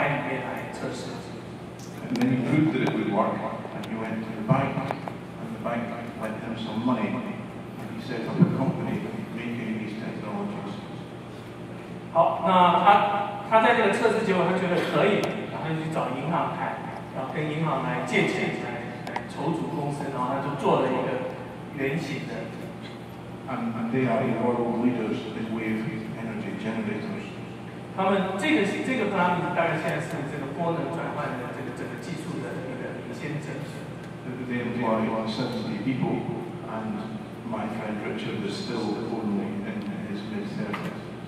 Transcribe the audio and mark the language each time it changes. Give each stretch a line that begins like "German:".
Chinese: 他差不多在快要30岁的时候，他就觉得，然后他就再把它做大一点，大概这个是1/7英尺的缩尺，只是他把这样子的一个小时，还稍微小一点，还是放在海里面来测试。
English: And then he proved that it would work, and he went to the bank, and the bank lent him some money, and he set up a company making these technologies.
Chinese: 好，那他在这个测试结果，他觉得可以，然后就去找银行谈，然后跟银行来借钱。
English: And they are the world leaders in wave energy generators.
Chinese: 他们这个当然当然现在是这个波能转换的这个整个技术的一个领先者。
English: They employ 70 people, and my friend Richard is still only in his mid-30s.